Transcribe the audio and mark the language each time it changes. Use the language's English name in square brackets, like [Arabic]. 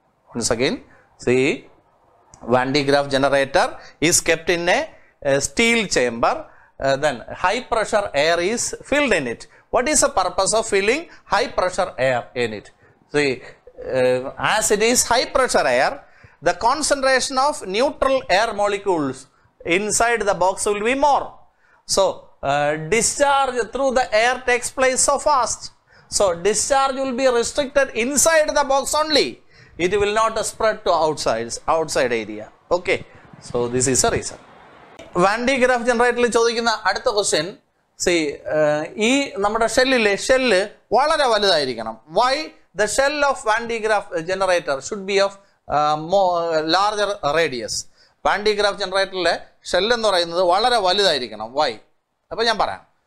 [English] Once again see Van de Graaff generator is kept in a steel chamber, then high pressure air is filled in it. What is the purpose of filling high pressure air in it? See as it is high pressure air, the concentration of neutral air molecules inside the box will be more. So, discharge through the air takes place so fast. So, discharge will be restricted inside the box only. It will not spread to outside area. Okay. So, this is the reason. [Malayalam] Vandy graph generator ചോദിക്കുന്ന അടുത്ത question. See, ഈ നമ്മുടെ ഷെല്ലിലെ shell വളരെ വലുതായിരിക്കണം. Why? [English] The shell of Vandy graph generator should be of larger radius. [Malayalam] Van de graph ജനറേറ്ററിലെ ഷെല്ലെന്ന് പറയുന്നത് വളരെ വലുതായിരിക്കണം. Y? അപ്പോൾ ഞാൻ പറയാം.